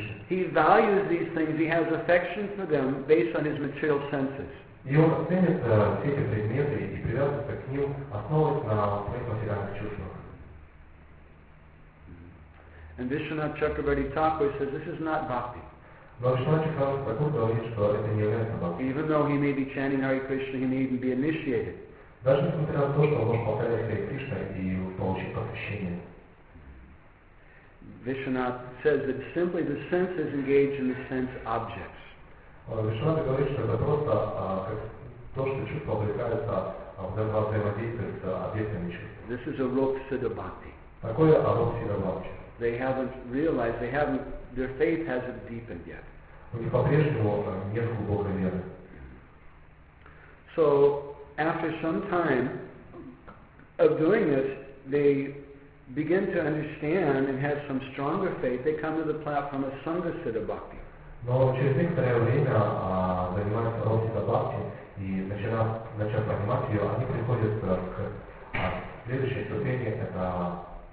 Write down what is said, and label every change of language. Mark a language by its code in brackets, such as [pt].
[en] He values these things, he has affection for them based on his material senses. [ru] И он оценит все эти предметы и привязывается к ним, основываясь на своих материальных чувствах. [en] And Vishwanath Chakravarti Thakur says this is not bhakti. [ru] Но Вишванат Чакравати говорит, что это не является бхакти. [en] Even though he may be chanting Hare Krishna, he may even be initiated. [ru] Даже несмотря на то, что он повторяет Hare Krishna и получит посвящение. [en] Vishwanath says that simply the senses engage in the sense objects. [ru] Вишванат говорит, что это просто то, что чувство облекается в данном взаимодействии с объектами чувств. [en] This is a rok-siddha bhakti. [ru] Такое рок-сиддха бхакти. [en] They haven't realized, they haven't, their faith hasn't deepened yet. [ru] У них по-прежнему нет глубокой веры. [en] So, after some time of doing this, they begin to understand and have some stronger faith, they come to the platform of Sangha-siddha bhakti. [ru] Но через некоторое время, занимаясь рок-сиддха бхакти, и начав понимать ее, они приходят к следующей ступени, это